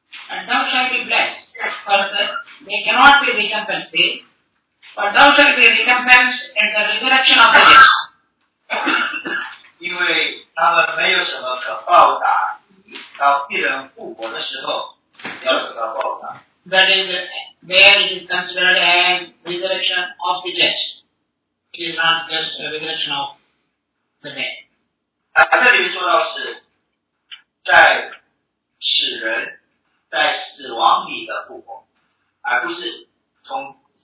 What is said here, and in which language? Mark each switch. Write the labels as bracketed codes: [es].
[en] And thou shalt be blessed, for they cannot be recompensed, but thou shalt be recompensed in the resurrection of the dead. [zh] 因为他们没有什么可报答，到一人复活的时候，要得到报答。 [en] That is, there it is considered as resurrection of the dead. It is not just a resurrection of the dead. [zh] 这里说到是在使人在死亡里的复活，而不是从